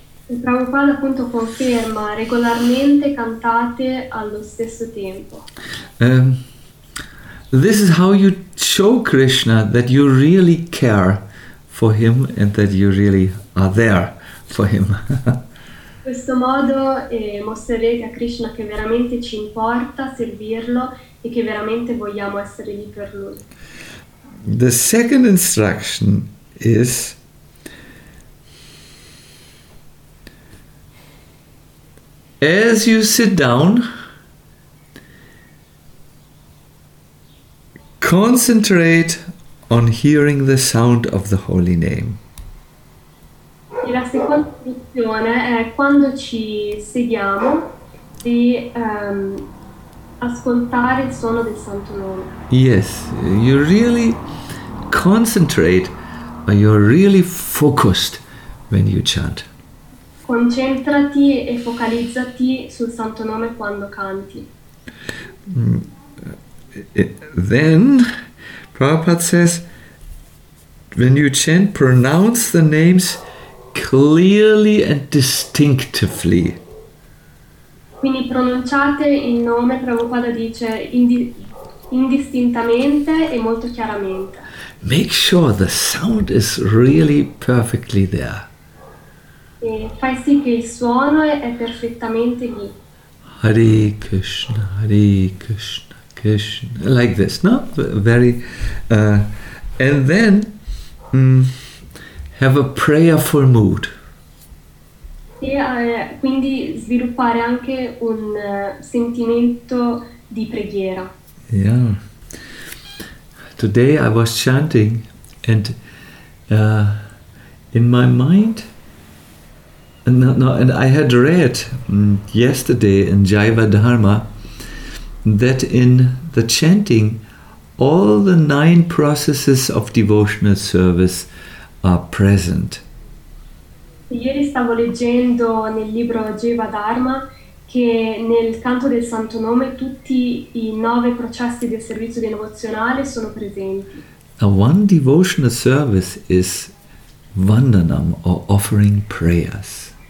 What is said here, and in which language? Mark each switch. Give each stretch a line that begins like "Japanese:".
Italian: Il Prabhupada appunto conferma regolarmente cantate allo stesso tempo.
English: This is how you show Krishna that you really care for him and that you really are there for him.
Italian: In questo modo mostrerete a Krishna che veramente ci importa servirlo e che veramente vogliamo essere lì per lui.
English: The second instruction is as you sit down, concentrate on hearing the sound of the holy name.
Italian: E la seconda istruzione è quando ci sediamo di ascoltare il suono del santo nome.
English: Yes, you really concentrate, or you're really focused when you chant.
Italian: Concentrati e focalizzati sul santo nome quando canti.
English: Then Prabhupada says when you chant pronounce the names clearly and distinctively.
Italian: Quindi pronunciate il nome, Prabhupada dice, indistintamente e molto chiaramente.
English: Make sure the sound is really perfectly there.
Italian: E fai sì che il suono è perfettamente lì.
English: Hare Krishna, Hare Krishna, Krishna, like this, no? Very, and then have a prayerful mood.
Italian: E quindi sviluppare anche un sentimento di preghiera.
English: Yeah. Today I was chanting, and in my mind. And I had read yesterday in Jaiva Dharma that in the chanting, all the 9 processes of devotional service are present.
Italian: Ieri stavo leggendo nel libro Jaiva Dharma che nel canto del Santo Nome tutti i 9 processi del servizio devozionale sono presenti.
English: Now one devotional service is vandanam or offering prayers.